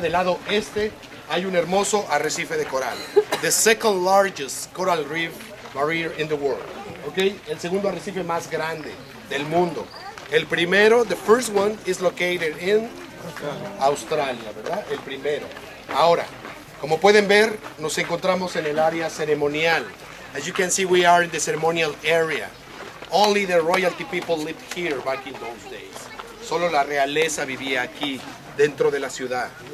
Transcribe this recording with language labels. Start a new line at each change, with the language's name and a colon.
Spanish: Del lado este, hay un hermoso arrecife de coral.
English: The second largest coral reef barrier in the world. Okay?
Spanish: El segundo arrecife más grande del mundo. El primero,
English: the first one, is located in Australia,
Spanish: ¿verdad? El primero. Ahora, como pueden ver, nos encontramos en el área ceremonial.
English: As you can see, we are in the ceremonial area. Only the royalty people lived here back in those days.
Spanish: Solo la realeza vivía aquí, dentro de la ciudad.